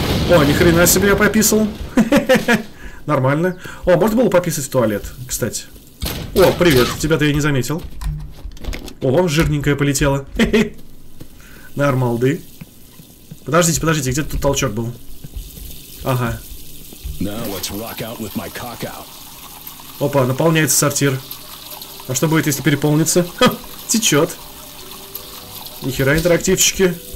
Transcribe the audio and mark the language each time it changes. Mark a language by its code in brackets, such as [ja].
[ru] О, ни хрена себе я пописал. Нормально. О, можно было пописать в туалет, кстати. О, привет, тебя-то я не заметил. О, жирненькое полетело. Нормалды. Подождите, подождите, где-то тут толчок был. Ага. [en] Now let's rock out with my cock out. [ru] Опа, наполняется сортир. А что будет, если переполнится? Течет. Нихера интерактивчики.